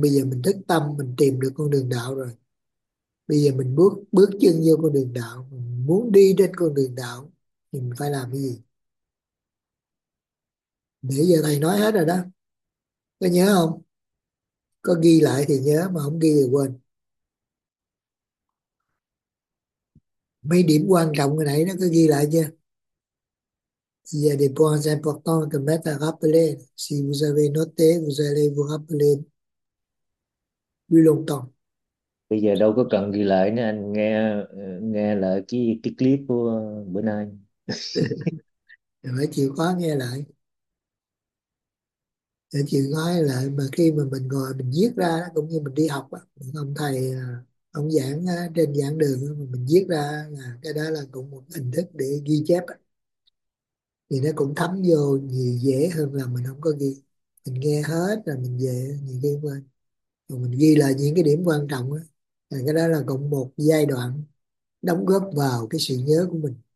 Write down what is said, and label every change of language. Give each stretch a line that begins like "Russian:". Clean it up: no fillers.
Vietnamese: Bây giờ mình thức tâm, mình tìm được con đường đạo rồi. Bây giờ mình bước bước chân vô con đường đạo, mình muốn đi trên con đường đạo thì mình phải làm cái gì? Nãy giờ thầy nói hết rồi đó. Có nhớ không? Có ghi lại thì nhớ, mà không ghi thì quên. Mấy điểm quan trọng cái nãy nó có ghi lại chưa?
French: Il y a des points importants que mettre à rappeler. Si vous avez noté, vous allez vous rappeler plus longtemps.
Vietnamese: Bây giờ đâu có cần ghi lại nữa, anh nghe nghe lại cái clip của bữa nay. Phải chịu khó nghe lại. Để chịu nói lại mà khi mà mình ngồi mình viết ra cũng như mình đi học ông thầy ông giảng trên giảng đường mình viết ra là cái đó là cũng một hình thức để ghi chép thì nó cũng thấm vô nhiều dễ hơn là mình không có ghi, mình nghe hết rồi mình về nhiều khi quên rồi mình ghi lại những cái điểm quan trọng là cái đó là cũng một giai đoạn đóng góp vào cái sự nhớ của mình